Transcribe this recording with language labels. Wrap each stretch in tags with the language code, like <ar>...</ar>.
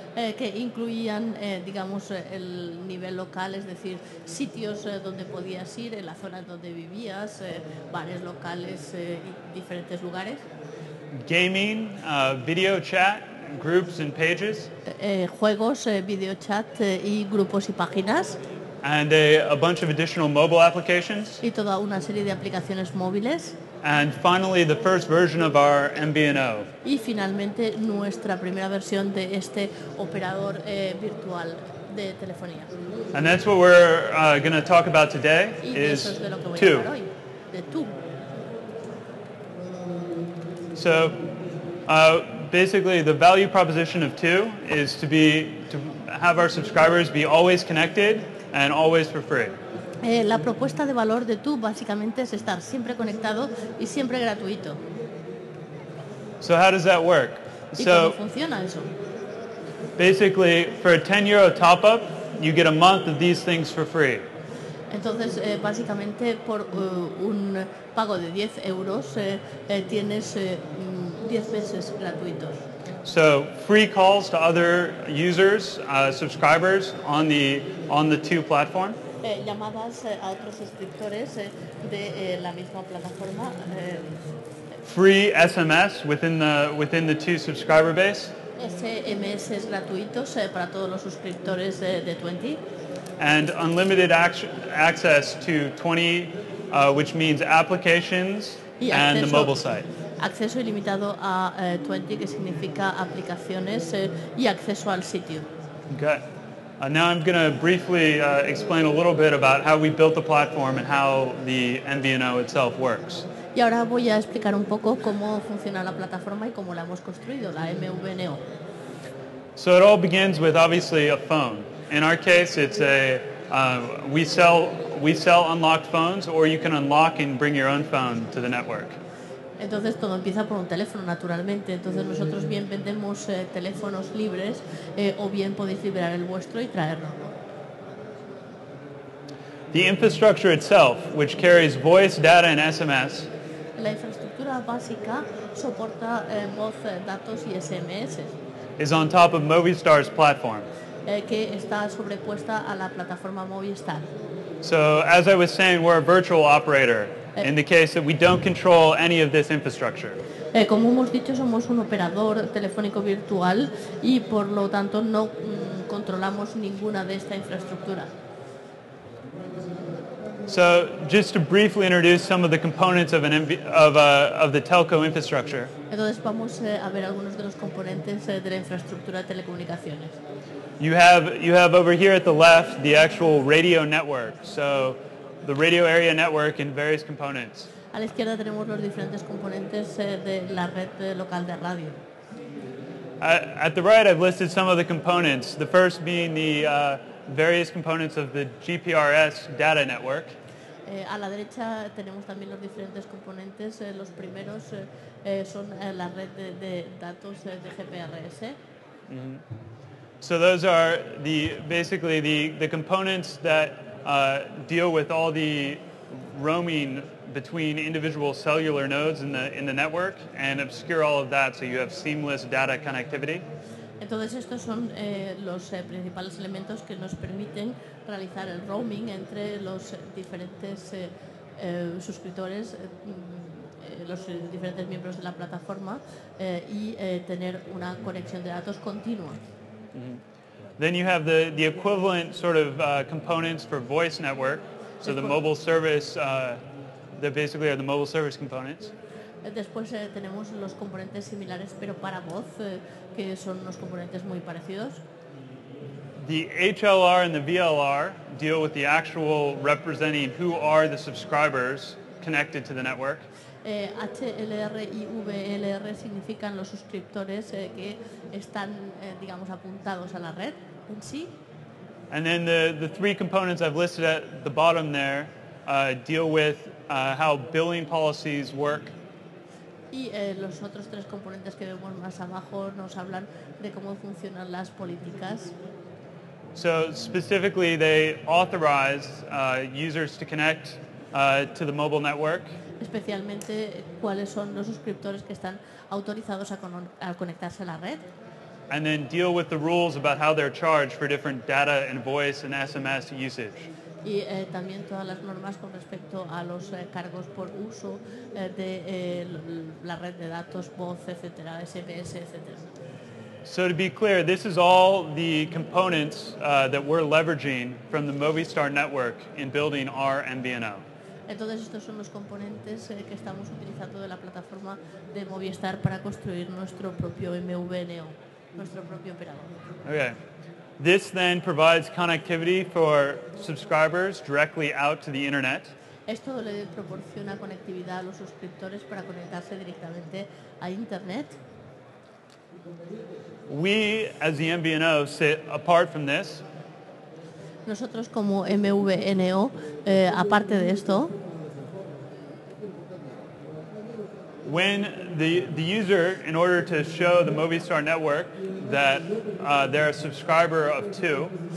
<es>Que incluían, digamos, el nivel local, es decir, sitios donde podías ir, en la zona donde vivías, bares locales, diferentes lugares.</es> <en>Gaming, video chat. Groups and pages.</en> <es>Juegos, video chat y grupos y páginas.</es> <en>And a bunch of additional mobile applications.</en> <es>Y toda una serie de aplicaciones móviles.</es> <en>And finally, the first version of our MVNO.</en> <es>Y finalmente, nuestra primera versión de este operador virtual de telefonía.</es> <en>And that's what we're going to talk about today.</en> <es>Y</es> <en>is</en> <es>eso es de lo que voy two. A hablar hoy, de two.</es> <en>So, basically, the value proposition of two is to be to have our subscribers be always connected. And always for free.</en> <es>La propuesta de valor de tú básicamente es estar siempre conectado y siempre gratuito.</es> <en>So how does that work?</en> <es>¿Y</es> <en>so</en> <es>cómo funciona eso?</es> <en>Basically, for a 10 euro top up, you get a month of these things for free.</en> <es>Entonces, básicamente por un pago de 10 euros tienes 10 meses gratuitos.</es> <en>So free calls to other users, subscribers on the two platform.</en> <es>Llamadas a otros suscriptores de la misma plataforma.</es> <en>Free SMS within the two subscriber base.</en> <es>SMS gratuitos para todos los suscriptores de 20.</es> <en>And unlimited access to 20, which means applications and the mobile site.</en> <es>Acceso ilimitado a 20, que significa aplicaciones y acceso al sitio.</es> <en>Okay. Now I'm going to briefly explain a little bit about how we built the platform and how the MVNO itself works.</en> <es>Y ahora voy a explicar un poco cómo funciona la plataforma y cómo la hemos construido, la MVNO.</es> <en>So it all begins with obviously a phone. In our case, it's a we sell unlocked phones, or you can unlock and bring your own phone to the network.</en> <es>Entonces todo empieza por un teléfono, naturalmente. Entonces nosotros bien vendemos teléfonos libres o bien podéis liberar el vuestro y traerlo.</es> <en>The infrastructure itself, which carries voice, data and SMS.</en> <es>La infraestructura básica soporta voz, datos y SMS.</es> <en>Is on top of Movistar's platform.</en> <es>Que está sobrepuesta a la plataforma Movistar.</es> <en>So, as I was saying, we're a virtual operator. In the case that we don't control any of this infrastructure.</en> <es>Como hemos dicho, somos un operador telefónico virtual y por lo tanto no controlamos ninguna de esta infraestructura.</es> <en>So, just to briefly introduce some of the components of the telco infrastructure.</en> <es>Entonces vamos a ver algunos de los componentes de la infraestructura de telecomunicaciones.</es> <en>You have over here at the left the actual radio network. So, the radio area network in various components.</en> <es>A la izquierda tenemos los diferentes componentes de la red local de radio.</es> <en>At the right, I've listed some of the components. The first being the various components of the GPRS data network.</en> <es>A la derecha tenemos también los diferentes componentes. Los primeros son la red de datos de GPRS. Mm-hmm.</es> <en>So those are the components that deal with all the roaming between individual cellular nodes in the network and obscure all of that so you have seamless data connectivity.</en> <es>Entonces estos son los principales elementos que nos permiten realizar el roaming entre los diferentes suscriptores, los diferentes miembros de la plataforma y tener una conexión de datos continua. Mm-hmm.</es> <en>Then you have the equivalent sort of components for voice network, so the mobile service, that basically are the mobile service components.</en> <es>Después tenemos los componentes similares, pero para voz, que son unos componentes muy parecidos.</es> <en>The HLR and the VLR deal with the actual representing who are the subscribers connected to the network.</en> <es>HLR y VLR significan los suscriptores que están, digamos, apuntados a la red en sí.</es> <en>And then the three components I've listed at the bottom there deal with how billing policies work.</en> <es>Y los otros tres componentes que vemos más abajo nos hablan de cómo funcionan las políticas.</es> <en>So specifically they authorize users to connect to the mobile network.</en> <es>Especialmente cuáles son los suscriptores que están autorizados a conectarse a la red.</es> <en>And then deal with the rules about how they're charged for different data and voice and SMS usage.</en> <es>Y también todas las normas con respecto a los cargos por uso de la red de datos, voz, etcétera, SMS, etcétera.</es> <en>So to be clear, this is all the components that we're leveraging from the Movistar network in building our MVNO.</en> <es>Entonces estos son los componentes que estamos utilizando de la plataforma de Movistar para construir nuestro propio MVNO, nuestro propio operador.</es> <en>Okay. This then provides connectivity for subscribers directly out to the internet.</en> <es>Esto le proporciona conectividad a los suscriptores para conectarse directamente a internet.</es> <en>We, as the MVNO, sit apart from this.</en> <es>Nosotros como MVNO, aparte de esto.</es> <en>When the user, in order to show the Movistar network that they're a subscriber of two.</en>